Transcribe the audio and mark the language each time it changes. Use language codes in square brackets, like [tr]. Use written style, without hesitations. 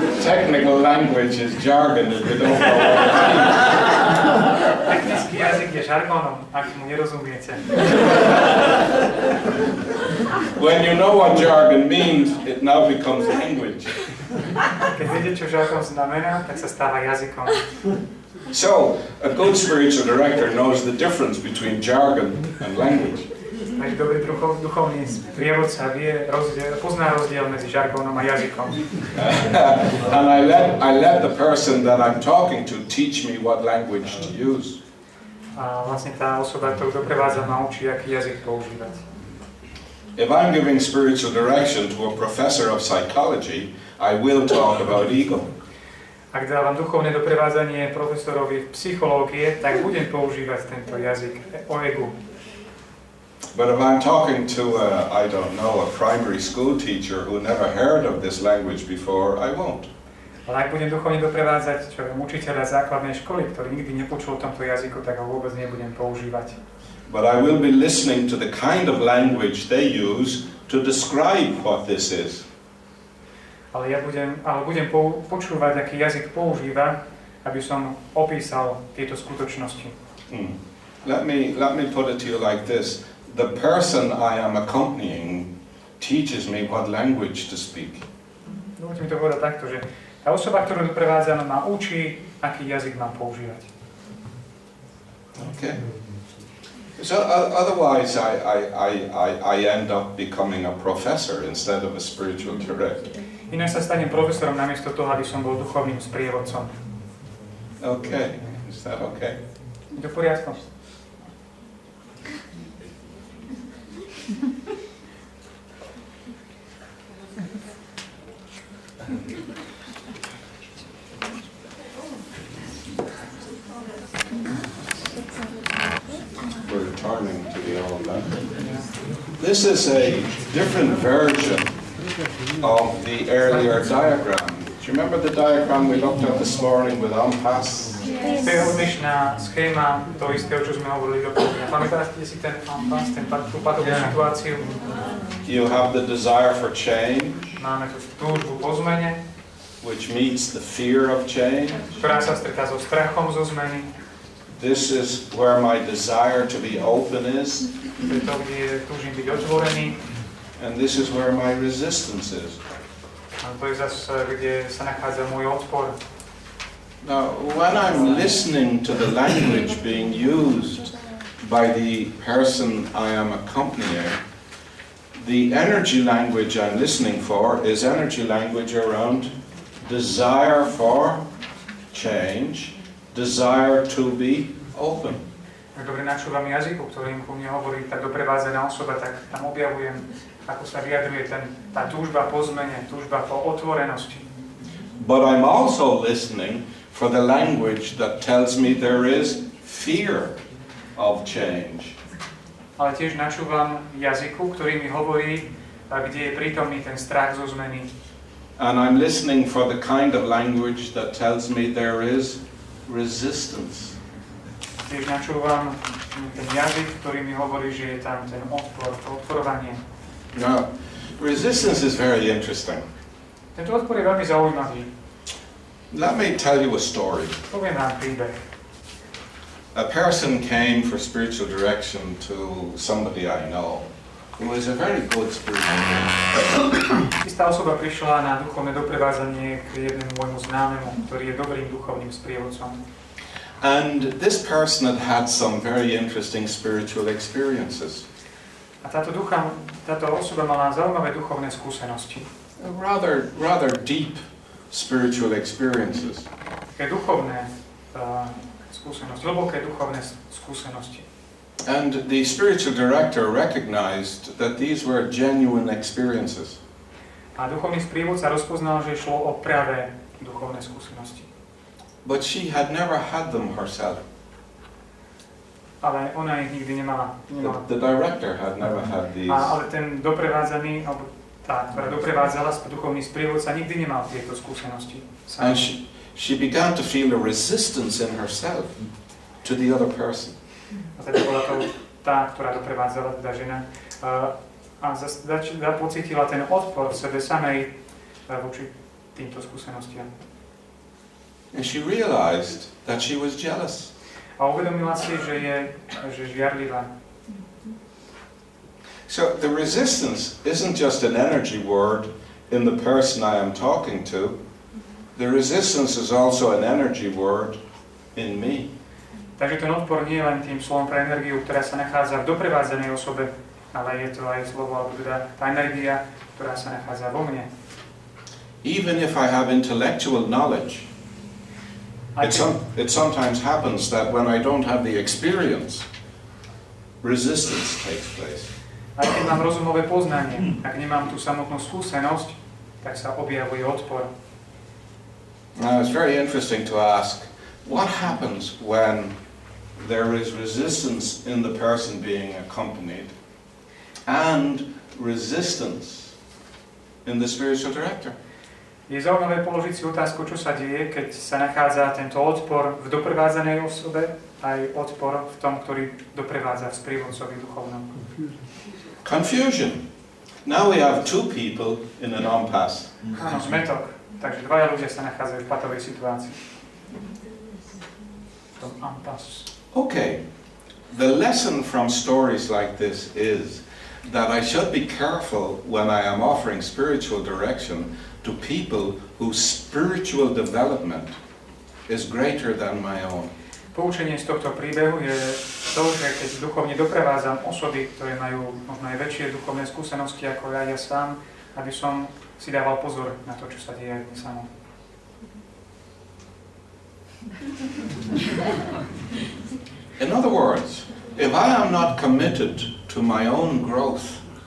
[en] Technical language is jargon if you don't know what it means. [sk] Technický jazyk je žargonom, ak mu nerozumiete. [en] When you know what jargon means, it now becomes language. [sk] Keď viete, čo žargon znamená, tak sa stáva jazykom. [en] So, a good spiritual director knows the difference between jargon and language. [sk] Takže dobrý duchovný prievodca vie, pozná rozdiel medzi žargonom a jazykom. [en] And I let the person that I'm talking to teach me what language to use. [sk] A vlastne tá osoba, ktorú doprevádza, ma učí, aký jazyk používať. [en] If I'm giving spiritual direction to a professor of psychology, I will talk about ego. [sk] Ak dávam duchovné doprevádzanie profesorovi psychológie, tak budem používať tento jazyk o egu. [en] But if I'm talking to a primary school teacher who never heard of this language before, I won't. [sk] Ale ak budem duchovne doprevádzať, čo je učiteľa základnej školy, ktorý nikdy nepočul tomto jazyku, tak ho vôbec nebudem používať. [en] But I will be listening to the kind of language they use to describe what this is. [sk] Ale ja budem počúvať, aký jazyk používa, aby som opísal tieto skutočnosti. [en] Let me put it to you like this. The person I am accompanying teaches me what language to speak. [sk] Dovolte mi to povedať takto, že tá osoba, ktorú doprevádzam, ma učí, aký jazyk mám používať. [en] Okay. So otherwise I end up becoming a professor instead of a spiritual director. [sk] Inak sa stanem profesorom namiesto toho, aby som bol duchovným sprievodcom. [en] Okay. Is that okay? [sk] Do poriadku. [en] We're turning to the element. This is a different version of the earlier diagram. Do you remember the diagram we looked at this morning with Ampass? Yes. [sk] Schéma to isté, o čo sme hovorili do pôvodne. Pamätáte si ten Ampass, ten úpadovú situáciu? [en] You have the desire for change. [sk] Máme tú túžbu po zmene. [en] Which meets the fear of change. [sk] Ktorá sa stretá so strachom zo zmeny. [en] This is where my desire to be open is. [sk] To, kde túžim byť otvorený. [en] And this is where my resistance is. [sk] A to je zase, kde sa nachádza môj odpor. [en] Now, when I'm listening to the language being used by the person I am accompanying, the energy language I'm listening for is energy language around desire for change, desire to be open. [sk] Ak dobre načúvam jazyku, ktorým ku mne hovorí tá doprevázená osoba, tak tam objavujem, ako sa vyjadruje tá túžba po zmene, túžba po otvorenosti. [en] But I'm also listening for the language that tells me there is fear of change. [sk] Ale tiež načúvam jazyku, ktorý mi hovorí, kde je prítomný ten strach zo zmeny. [en] And I'm listening for the kind of language that tells me there is resistance. [sk] Tiež načúvam ten jazyk, ktorý mi hovorí, že je tam ten odpor, to odporovanie. [en] Now, resistance is very interesting. [sk] Tento odpor je veľmi zaujímavý. [en] Let me tell you a story. [sk] Poviem vám príbeh. [en] A person came for spiritual direction to somebody I know, who is a very good spiritual director. [sk] Istá osoba prišla na duchovné doprevázanie k jednému môjmu známemu, ktorý je dobrým duchovným sprievodcom. [en] And this person had had some very interesting spiritual experiences. [sk] A táto osoba mala zaujímavé duchovné skúsenosti. [en] Rather deep spiritual experiences. [sk] Také duchovné skúsenosti, hlboké duchovné skúsenosti. [en] And the spiritual director recognized that these were genuine experiences. [sk] A duchovný sprievodca rozpoznal, že šlo o pravé duchovné skúsenosti. [en] But she had never had them herself. [sk] Ale ona ich nikdy nemala. [en] The director had never had these. [sk] Ale ten doprevádzaný, alebo tá, ktorá doprevádzala, duchovný sprievodca, nikdy nemal tieto skúsenosti. [en] And she began to feel a resistance in herself to the other person. [sk] A teda bola to tá, ktorá doprevádzala, teda žena. A pocítila ten odpor v sebe samej voči týmto skúsenostiam. [en] And she realized that she was jealous. [sk] A uvedomila si, že je žiarlivá. [en] So the resistance isn't just an energy word in the person I am talking to. The resistance is also an energy word in me. [sk] Takže ten odpor nie je len tým slovom pre energiu, ktorá sa nachádza v doprevádzanej osobe, ale je to aj slovo, alebo teda tá energia, ktorá sa nachádza vo mne. [en] Even if I have intellectual knowledge, it sometimes happens that when I don't have the experience, resistance takes place. [sk] A keď mám rozumové poznanie, ak nemám tú samotnú skúsenosť, tak sa objavuje odpor. [en] Now it's very interesting to ask, what happens when there is resistance in the person being accompanied and resistance in the spiritual director? [sk] Je zaujímavé položiť si otázku, čo sa deje, keď sa nachádza tento odpor v doprevádzanej osobe, aj odpor v tom, ktorý doprevádza v sprievodcovi duchovnom. [en] Confusion. Now we have two people in an impasse. [sk] Áno, zmetok. Takže dvaja ľudia sa nachádzajú v patovej situácii. V tom impasse. [en] Okay. The lesson from stories like this is that I should be careful when I am offering spiritual direction to people whose spiritual development is greater than my own. [sk] Poučenie z tohto príbehu je to, že keď duchovne doprevádzam osoby, ktoré majú možno aj väčšie duchovné skúsenosti ako ja sám, aby som si dával pozor na to, čo sa deje aj sám. [en] In other words, if I am not committed to my own growth,